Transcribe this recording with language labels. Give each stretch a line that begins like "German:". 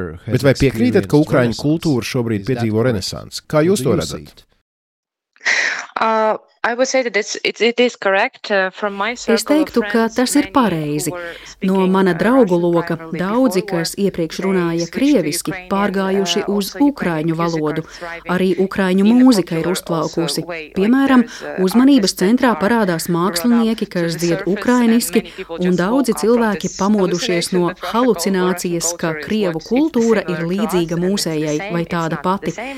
Latvian: Bet vai piekrītat, ka ukraiņu kultūra šobrīd piedzīvo renesansi? Kā jūs to redzat?
English: I would say that it is correct from my circle.
Latvian: Es teiktu, ka tas ir pareizi. No mana draugu loka daudzi, kas iepriekš runāja krieviski, pārgājuši uz ukraiņu valodu. Arī ukraiņu mūzika ir uzplaukusi. Piemēram, uzmanības centrā parādās mākslinieki, kas dzied ukrainiski, un daudzi cilvēki pamodušies no halucinācijas, ka krievu kultūra ir līdzīga mūsējai vai tāda pati.